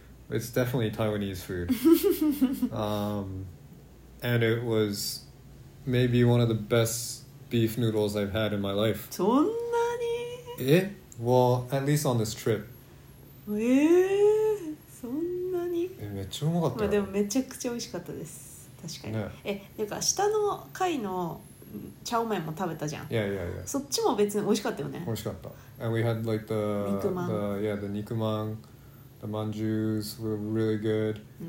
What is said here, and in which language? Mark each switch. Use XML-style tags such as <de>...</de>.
<en>It's definitely Taiwanese food. And it was maybe one of the best beef noodles I've had in my life.</en> <ja>そんなに? Eh?</ja> <en>Well, at least on this trip.</en> <ja>そんなに? めっちゃうまかった。でもめちゃくちゃ美味しかったです。確かに。なんか下の階のチャオメンも食べたじゃん。</ja> <en>Yeah.</en> <ja>そっちも別に美味しかったよね。美味しかった。</ja> <en>And we had like the</en> <ja>肉まん。</ja> <en>The 肉まん。 The manjus were really good.</en>